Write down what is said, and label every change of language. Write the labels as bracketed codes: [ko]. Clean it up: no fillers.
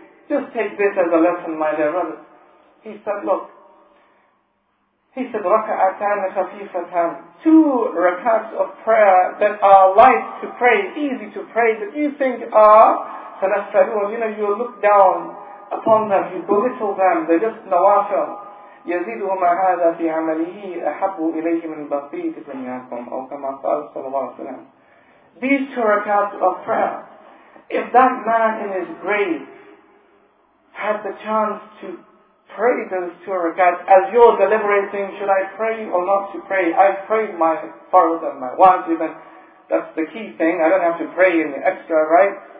[en] Just take this as a lesson, my dear brother. He said, look. He said, [ar] raka'atan khafifatan. [en] Two rakats of prayer that are light to pray, easy to pray, that you think are tanaffalun. You know, you look down upon them, you belittle them, they're just nawafil. [ar] يزيدهما هذا في عمله أحب إليه من بقية دنياكم أو كما قال صلى الله عليه وسلم. [en] These two rakats of prayer, if that man in his grave had the chance to pray those two rakats as you're deliberating, should I pray or not to pray? I've prayed my farz and my wajib, and that's the key thing, I don't have to pray in the extra, right?